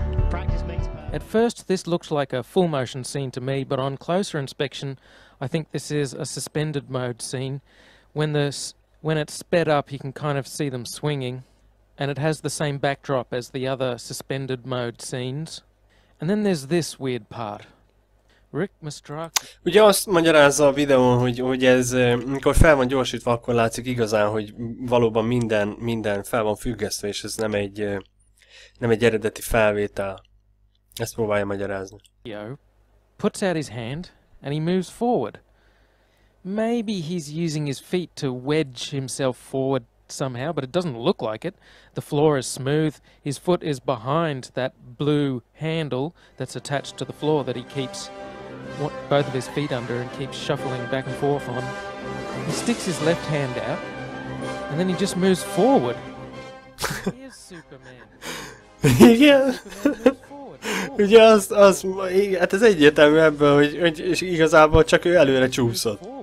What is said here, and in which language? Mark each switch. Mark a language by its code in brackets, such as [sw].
[en] Practice makes perfect. At first, this looks like a full motion scene to me, but on closer inspection, I think this is a suspended mode scene. When it's sped up, you can kind of see them swinging, and it has the same backdrop as the other suspended mode scenes. And then there's this weird part. Rick Mastrak. [hu] Ugye azt magyarázza a videón, hogy ez, mikor fel van gyorsítva, akkor látszik igazán, hogy valóban minden fel van függesztve, és ez nem egy eredeti felvétel. Ezt próbálja magyarázni. [en] Yo. Puts out his hand and he moves forward. Maybe he's using his feet to wedge himself forward somehow, but it doesn't look like it. The floor is smooth. His foot is behind that blue handle that's attached to the floor that he keeps both of his feet under and keeps shuffling back and forth on. He sticks his left hand out and then he just moves forward. Here's Superman. Yeah. [hu] Ugye az igen, hát ez egyértelmű ebből, hogy és igazából csak ő előre csúszott.